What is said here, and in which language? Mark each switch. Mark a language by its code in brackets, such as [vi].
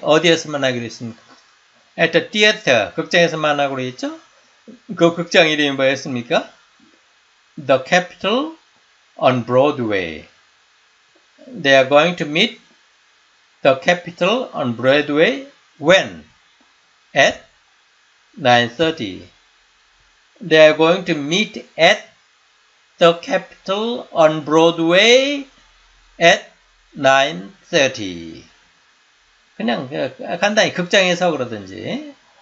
[ko] 어디에서 만나기로 했습니까? [en] At the theater. [ko] 극장에서 만나기로 했죠? 그 극장 이름이 뭐였습니까? [en] The Capitol on Broadway. They are going to meet the Capitol on Broadway when? At 9:30. They are going to meet at the Capitol on Broadway at 9:30. [ko] 그냥 간단히 극장에서 그러든지.